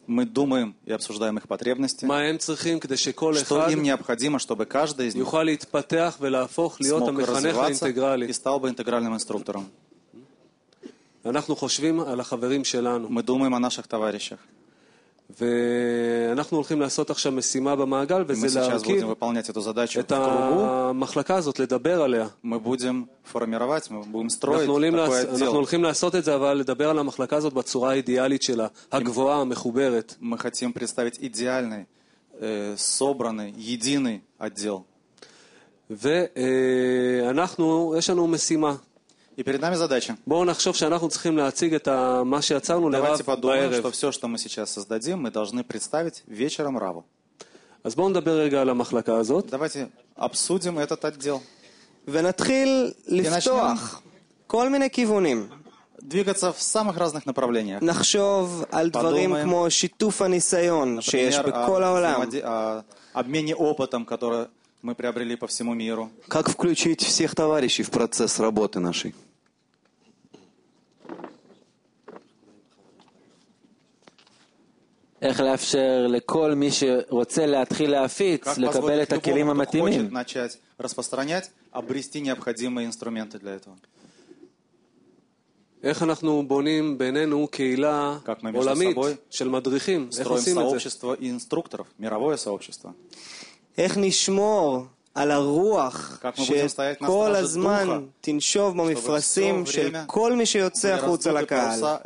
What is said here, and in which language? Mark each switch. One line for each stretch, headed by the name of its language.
Russian: Мы думаем и обсуждаем их потребности.
Hebrew: מה הם צריכים כדי שכל אחד,
Russian: что им необходимо, чтобы каждый из них
Hebrew: יוכל להתפתח ולהפוך להיות המחנך האינטגרלי.
Russian: И стал бы интегральным инструктором.
Hebrew: אנחנו חושבים על החברים שלנו.
Russian: Мы думаем о наших товарищах.
Hebrew: ואנחנו הולכים לעשות עכשיו משימה במעגל, וזה להרכיב
Russian: выполнять эту задачу
Hebrew: את המחלקה הזאת, לדבר עליה.
Russian: Мы будем формировать, мы будем строить такой отдел.
Hebrew: אנחנו הולכים לעשות את זה, אבל לדבר על המחלקה הזאת בצורה האידיאלית שלה, הגבוהה, המחוברת.
Russian: Мы хотим представить идеальный, собранный, единый отдел.
Hebrew: ואנחנו, יש לנו משימה.
Russian: И перед нами задача.
Hebrew: בואו נחשוב שאנחנו צריכים להציג את מה שיצרנו לרב בערב.
Russian: Давайте подумаем, что все, что мы сейчас создадим, мы должны представить вечером Раву.
Hebrew: אז בואו נדבר רגע על המחלקה הזאת.
Russian: Давайте обсудим этот отдел.
Hebrew: ונתחיל לפתוח כל מיני כיוונים.
Russian: Двигаться в самых разных направлениях.
Hebrew: נחשוב על דברים כמו שיתוף הניסיון שיש בכל העולם.
Russian: Обмене опытом, который мы приобрели по всему миру. Как включить всех товарищей в процесс работы нашей? Как
Hebrew: לאפשר לכל מי שרוצה להתחיל להפיץ לקבל את הכלים המתאימים?
Russian: Как начать распространять, обрести необходимые инструменты для этого?
Hebrew: איך אנחנו בונים בינינו קהילה עולמית של מדריכים?
Russian: Строим сообщество инструкторов, мировое сообщество.
Hebrew: איך נשמור על הרוח שכל הזמן תנשוב במפרשים של כל מי שיוצא החוץ על הקהל.